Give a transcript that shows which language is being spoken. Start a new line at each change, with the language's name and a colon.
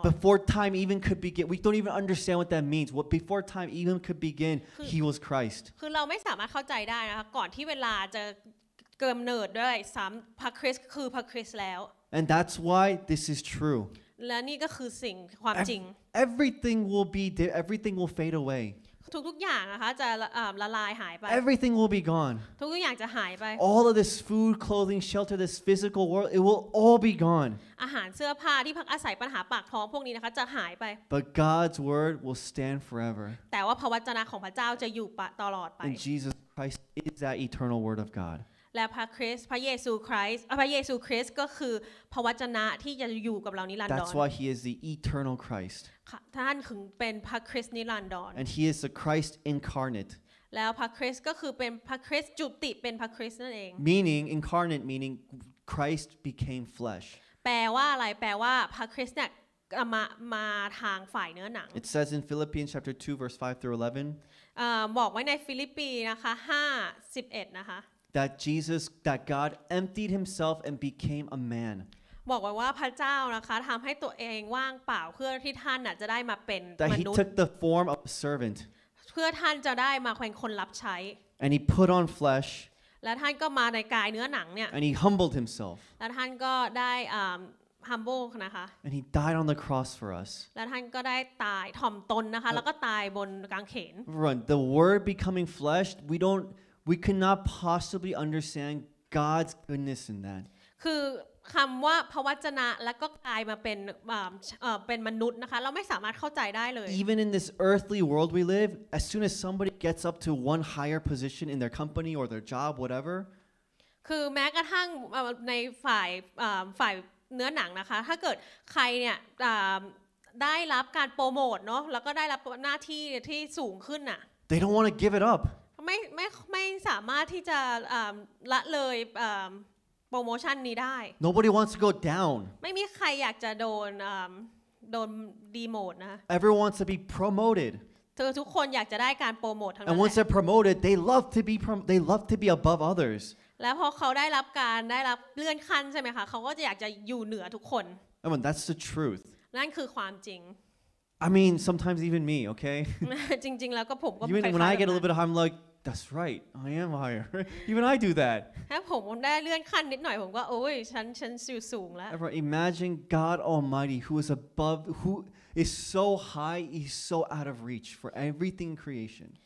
English: Before time even could begin we don't even understand what that means what before time even could begin he was Christ
Thai: คือเราไม่สามารถเข้าใจได้นะคะก่อนที่เวลาจะเกิดเนิดด้วยซ้ําพระคริสต์คือพระคริสต์แล้ว
English: And that's why this is true
Thai: และนี่ก็คือสิ่งความจริง
English: Everything will be there everything will fade away
Thai: ทุกอย่างนะคะจะละลายหายไป
English: Everything will be gone
Thai: ทุกอย่างจะหายไป
English: All of this food clothing shelter this physical world it will all be gone
Thai: อาหารเสื้อผ้าที่พักอาศัยปัญหาปากท้องพวกนี้นะคะจะหายไป
English: But God's word will stand forever
Thai: แต่ว่าพระวจนะของพระเจ้าจะอยู่ตลอดไป
English: And Jesus Christ is that eternal word of God
Thai: และพระคริสต์พระเยซูคริสต์พระเยซูคริสต์ก็คือพระวจนะที่จะอยู่กับเรานิรันดร์
English: That's why he is the eternal Christ
Thai: ท่านถึงเป็นพระคริสต์นิรันดร์
English: And he is the Christ incarnate
Thai: แล้วพระคริสต์ก็คือเป็นพระคริสต์จุติเป็นพระคริสต์นั่นเอง
English: Meaning incarnate meaning Christ became flesh
Thai: แปลว่าอะไรแปลว่าพระคริสต์เนี่ยมาทางฝ่ายเนื้อหนัง
English: It says in Philippians chapter 2 verse 5 through 11
Thai: บอกไว้ในฟิลิปปีนะคะ5:11นะคะ
English: That Jesus, that God emptied himself and became a man.
Thai: บอกไว้ว่าพระเจ้านะคะทำให้ตัวเองว่างเปล่าเพื่อที่ท่านจะได้มาเป็นมนุษย์
English: That he took the form of a servant.
Thai: เพื่อท่านจะได้มาแขวนคนรับใช้
English: And he put on flesh.
Thai: และท่านก็มาในกายเนื้อหนังเนี่ย
English: And he humbled himself.
Thai: และท่านก็ได้humble นะคะ
English: And he died on the cross for us.
Thai: และท่านก็ได้ตายถ่อมตนนะคะแล้วก็ตายบนกางเขน
English: Right. The word becoming flesh, We cannot possibly understand God's goodness in that.
Thai: คือคำว่าพระวจนะแล้วก็กลายมาเป็นมนุษย์นะคะเราไม่สามารถเข้าใจได้เลย
English: Even in this earthly world we live, as soon as somebody gets up to one higher position in their company or their job, whatever.
Thai: คือแม้กระทั่งในฝ่ายเนื้อหนังนะคะถ้าเกิดใครเนี่ยได้รับการโปรโมทเนาะแล้วก็ได้รับหน้าที่ที่สูงขึ้นน่ะ
English: They don't want to give it up.
Thai: ไม่สามารถที่จะละเลยโปรโมชั่นนี้ได้
English: Nobody wants to go down
Thai: ไม่มีใครอยากจะโดนดีโมทนะ
English: Everyone wants to be promoted
Thai: ทุกคนอยากจะได้การโปรโมททั้งนั้น
English: And once they're promoted they love to be above others
Thai: แล้วพอเขาได้รับเลื่อนขั้นใช่มั้ยคะเขาก็จะอยากจะอยู่เหนือทุกคน
English: I mean that's the truth
Thai: นั่นคือความจริง
English: I mean, sometimes even me, okay?
Thai: จริงๆแล้วก็ผมก็ไ ม่ค่อย
English: When I get a little bit higher, I'm like, that's right, I am higher. Even I do that.
Thai: ถ้าผมได้เลื่อนขั้นนิดหน่อยผมก็โอ้ยฉันสูงแล้ว
English: Everyone, imagine God Almighty who is above, who is so high, he's so out of reach for everything creation.